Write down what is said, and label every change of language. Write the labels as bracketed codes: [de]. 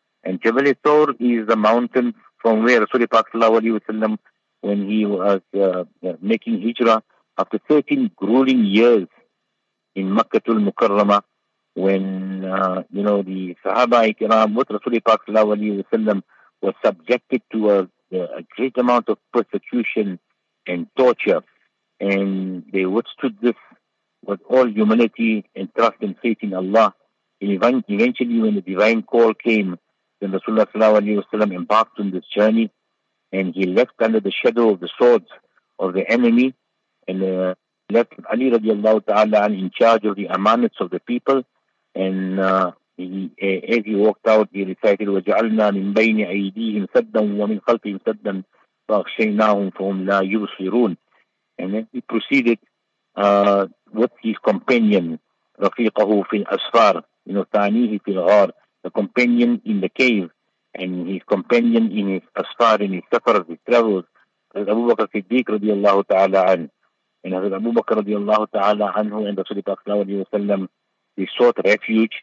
[en] And Jabal Thawr is the mountain from where Rasulullah sallallahu alaihi wasallam, when he was making hijrah after 13 grueling years in Makkatul Mukarramah, when you know, the Sahaba ikram with Rasulullah sallallahu alaihi wasallam was subjected to a great amount of persecution and torture, and they withstood this with all humility and trust and faith in Allah. And eventually, when the divine call came, then Rasulullah sallallahu alaihi wasallam embarked on this journey, and he left under the shadow of the swords of the enemy, and left Ali radiallahu ta'ala in charge of the amanats of the people. And as he walked out, he recited, [ar] وَجَعَلْنَا مِنْ بَيْنِ أَيْدِيهِمْ سَدًّا وَمِنْ خَلْفِهِمْ سَدًّا فَأَخْشَيْنَاهُمْ فَهُمْ لَا يُبْصِرُونَ. [en] And then he proceeded with his companion, [ar] رَفِيقَهُ فِي الْأَسْفَارِ, [en] you know, [ar] تَعْنِيهِ فِي الْغَارِ, [en] the companion in the cave, and his companion in his asfar, in his safar, his travels, Hazrat Abu Bakr Siddiq radiallahu ta'ala anhu. And Hazrat Abu Bakr radiallahu ta'ala anhu and Rasulullah sallallahu alayhi wa sallam they sought refuge.